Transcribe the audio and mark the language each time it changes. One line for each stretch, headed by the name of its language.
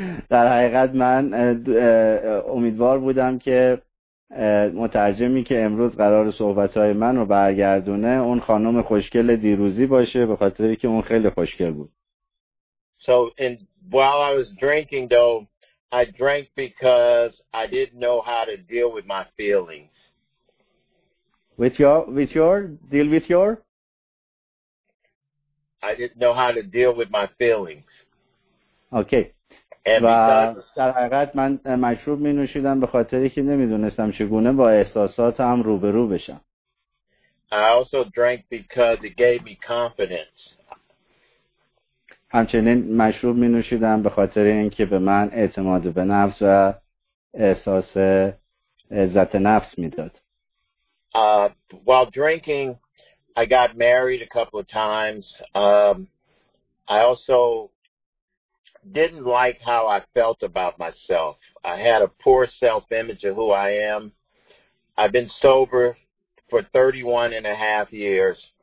Persian: در حقیقت من امیدوار بودم که مترجمی که امروز قرار صحبت‌های من رو برگردونه اون خانم خوشگل دیروزی باشه به خاطر اینکه اون خیلی خوشگل بود.
English: So and while I was drinking though, I drank because I didn't know how to deal with my feelings. Deal with your? I didn't know how to deal with my feelings. Okay.
Persian: و در حقیقت من مشروب می نوشیدم به خاطری که نمی دونستم چگونه با احساساتم روبرو بشم.
English: I also drank because it gave me confidence.
Persian: همچنین مشروب می نوشیدم به خاطر اینکه به من اعتماد به نفس و احساس عزت نفس می داد.
English: While drinking, I got married a couple of times. I also didn't like how I felt about myself. I had a poor self-image of who I am. I've been sober for 31 and a half years.